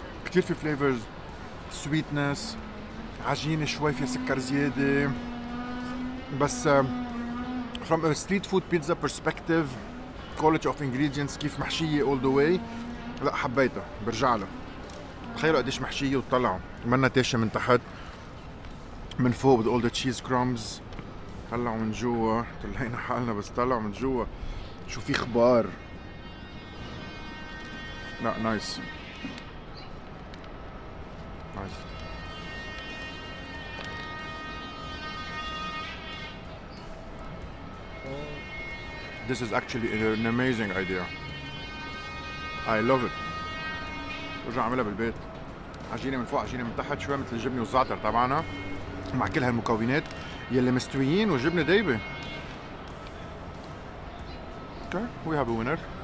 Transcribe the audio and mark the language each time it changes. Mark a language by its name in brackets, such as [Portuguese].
[Arabic] كتير في [English] flavors, sweetness, [Arabic] عجينة شوي فيها سكر زيادة، بس [English] from a street food pizza perspective, quality of ingredients, [Arabic] كيف محشية [English] all the way. [Arabic] لا حبيته، برجع له. تخيلوا قديش محشية وطلعوا منا تاشة من تحت من فوق [English] with all the cheese crumbs. [Arabic] طلعوا من جوا، طلعنا حالنا بس طلعوا من جوا. شو في خبار؟ لا [English] Nice nice. This is actually an amazing idea. I love it. [Arabic] رجع عملها بالبيت. عجينة من فوق عجينة من تحت شوية مثل الجبنة والزعتر طبعاً مع كل هالمكونات يلي مستويين وجبنة دايبة. [English] Okay, we have a winner.